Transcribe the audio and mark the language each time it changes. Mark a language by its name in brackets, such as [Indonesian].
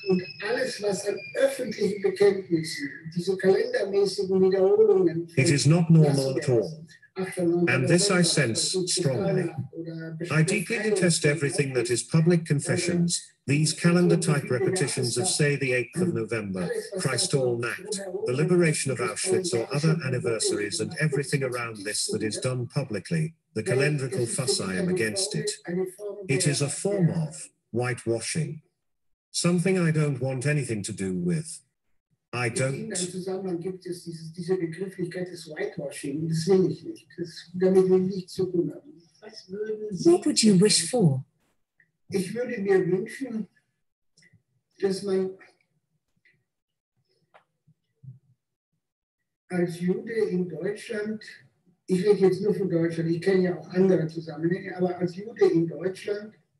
[German] Und alles, was an öffentlichen Bekenntnissen, diese kalendermäßigen Wiederholungen... [English] It is not normal at all. And this I sense strongly. I deeply detest everything that is public confessions, these calendar-type repetitions of, say, the 8th of November, Christ All Night, the liberation of Auschwitz or other anniversaries and everything around this that is done publicly, the calendrical fuss I am against it. It is a form of whitewashing, something I don't want anything to do with. I don't. [German] In diesem Zusammenhang gibt es diese Begrifflichkeit des Whitewashing, das will ich nicht. Damit will ich nichts zu tun haben. [English] What would you wish for? [German] Ich würde mir wünschen, dass man als Jude in Deutschland, ich rede jetzt nur von Deutschland, ich kenne ja auch andere Zusammenhänge, aber als Jude in Deutschland.